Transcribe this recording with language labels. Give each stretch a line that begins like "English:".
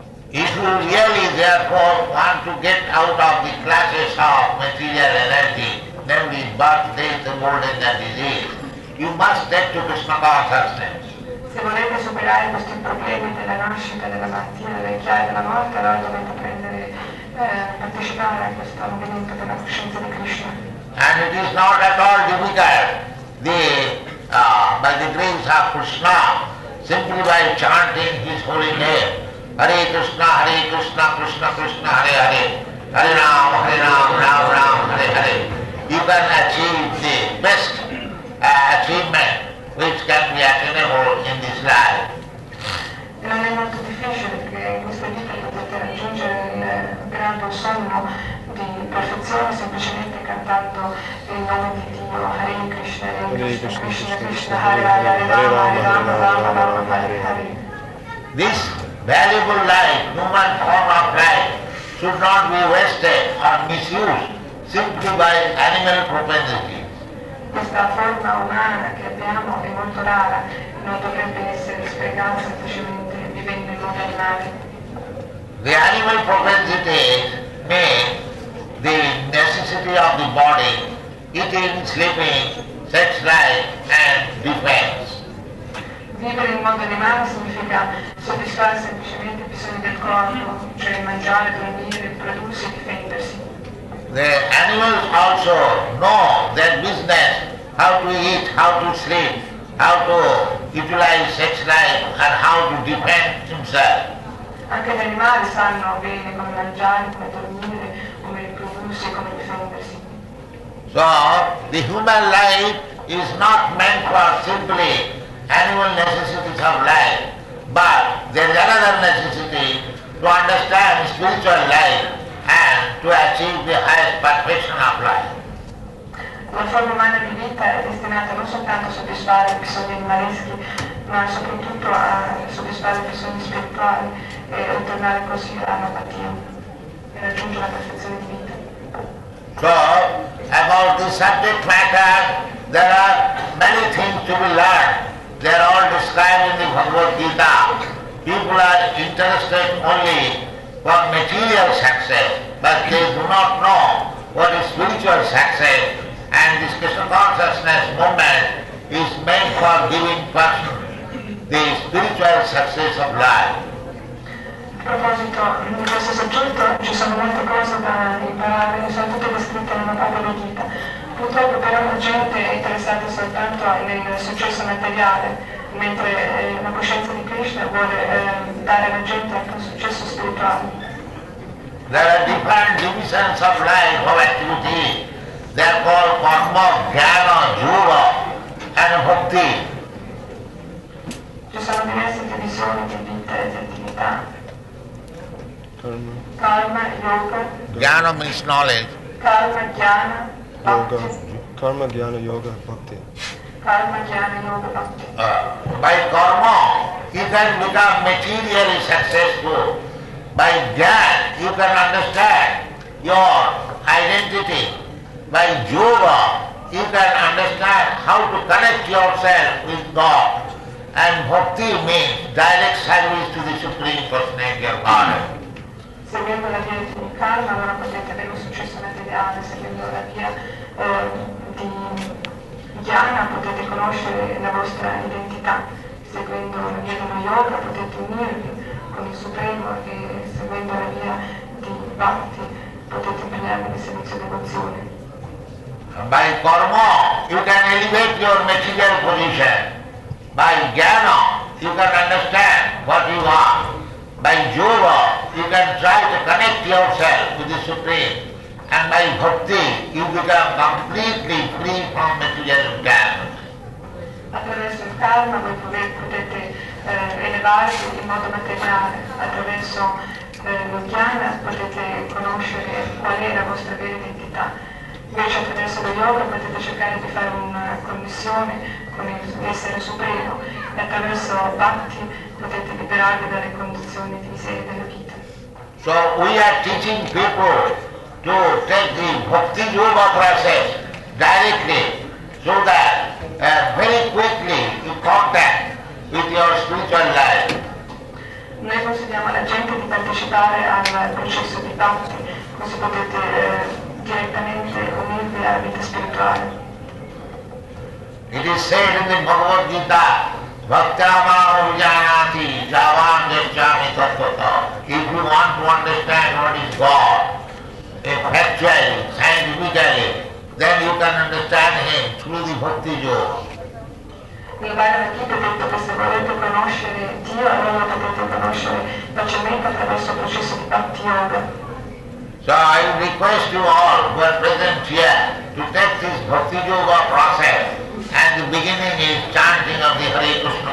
English: If you really therefore want to get out of the classes of material energy, namely birth, death, old age and disease, you must get to Krishna consciousness.
Italian: Se volete superare questi problemi della nascita, della malattia, della vecchiaia e della morte, allora dovete prendere, partecipare a questo movimento della coscienza di Krishna.
English: And it is not at all difficult, by the grace of Krishna, simply by chanting his holy name, Hare Krishna, Krishna Krishna, Hare Hare, Hare Ram, Hare Ram, Ram Ram, Hare Hare. You can achieve the best achievement which can be attainable in this life.
Italian: Non è molto difficile che in questa vita potete raggiungere il grande sonno di perfezione semplicemente cantando il nome di Dio, Hare Krishna, Hare Krishna, Krishna Krishna, Hare Hare, Hare Rama, Rama Rama, Rama Rama, Hare Hare.
English: This valuable life, human form of life, should not be wasted or misused simply by animal propensity.
Italian: Questa forma umana che abbiamo è molto rara, non dovrebbe essere sprecata semplicemente vivendo in modo animale.
English: The animal propensity may the necessity of the body, eating, sleeping, sex life and defense.
Italian: Vivere in modo animale significa soddisfare semplicemente i bisogni del corpo, cioè mangiare, dormire, prodursi e difendersi.
English: The animals also know their business, how to eat, how to sleep, how to utilize sex life and how to defend himself.
Italian: Anche gli animali sanno bene come mangiare, come dormire, come riprodursi, come difendersi.
English: So, the human life is not meant for simply animal necessities of life, but there is another necessity to understand spiritual life and to achieve the highest perfection of life.
Italian: La forma umana di vita è destinata non soltanto a soddisfare i bisogni animaleschi, ma soprattutto a soddisfare i bisogni spirituali e a tornare così alla normativa e raggiungere la perfezione di vita.
English: So, about this subject matter, there are many things to be learned. They are all described in the Bhagavad Gita. People are interested only for material success, but they do not know what is spiritual success. And this Krishna consciousness movement is meant for giving person the spiritual success of life.
Italian: A proposito, in questo soggetto ci sono molte cose da imparare, sono tutte descritte nella Bhagavad Gita. Purtroppo però la gente è interessata soltanto nel successo materiale, mentre la coscienza di Krishna vuole dare alla gente anche un successo spirituale.
English: There are different divisions of life of activity. They are called karma, jnana, jura and bhakti.
Italian: Ci sono diverse divisioni di vita e di attività. Karma, yoga.
English: Jnana means knowledge. Karma, jnana, yoga. Karma, jnana, yoga, bhakti. By karma, you can become materially successful. By jnana, you can understand your identity. By yoga, you can understand how to connect yourself with God. And bhakti means direct service to the Supreme Personality of Godhead.
Italian: Seguendo la via di karma, allora potete avere un successo materiale, seguendo la via di jnana potete conoscere la vostra identità, seguendo la via di yoga potete unirvi con il Supremo e seguendo la via di bhakti potete impegnarvi nel servizio devozione.
English: By karma, you can elevate your material position. By jnana, you can understand what you are. By yoga, you can try to connect yourself with the Supreme. And by bhakti, you become completely free from material entanglements.
Italian: Attraverso il karma voi potete elevarvi in modo materiale. Attraverso lo jnana potete conoscere qual è la vostra vera identità. Invece attraverso lo yoga potete cercare di fare una connessione con l'essere supremo. E attraverso bhakti potete liberarvi dalle condizioni di miseria della vita.
English: So we are teaching people to take the bhakti yoga process directly so that very quickly you contact with your spiritual life.
Italian: Noi consigliamo alla gente di partecipare al processo di bhakti, così potete direttamente unirvi alla vita spirituale.
English: It is said in the Bhagavad Gita,
Sanskrit: Bhaktamaru Janati, Javanjami Tattvata.
English: If you want to understand what is God, factually, scientifically, then you can understand Him through the Bhakti Yoga.
Italian: Il Bhagavad Gita ha detto che se volete conoscere Dio, allora potete conoscere facilmente attraverso il processo di Bhakti Yoga.
English: So I request you all who are present here to take this Bhakti Yoga process. And the beginning is chanting of the Hare Krishna